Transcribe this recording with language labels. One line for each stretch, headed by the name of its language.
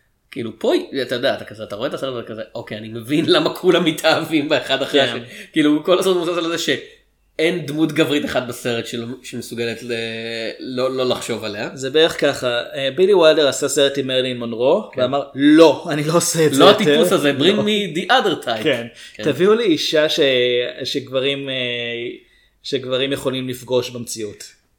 Hebrew: כאילו פה, אתה יודע, אתה רואה את הסרט כזה, אוקיי, אני מבין למה כולם מתאהבים באחד אחרי השני. כאילו כל הסרט מוסס על זה שאין דמות גברית אחת בסרט שמסוגלת לא לחשוב עליה. זה בערך ככה, בילי וילדר עשה סרט עם מרלין מונרו, ואמר, לא, אני לא עושה את זה. לא הטיפוס הזה,
English: bring me the other type.
Hebrew: תביאו לי אישה שגברים יכולים לפגוש במציאות.